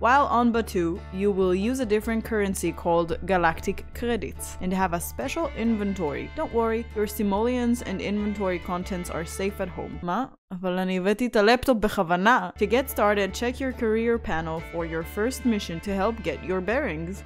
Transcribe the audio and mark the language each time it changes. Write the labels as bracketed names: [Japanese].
[English] While on Batu, you will use a different currency called Galactic Credits and have a special inventory. Don't worry, your simoleons and inventory contents are safe at home. [Hebrew] מה? אבל אני הבאתי את הלפטופ בכוונה. [English] To get started, check your career panel for your first mission to help get your bearings.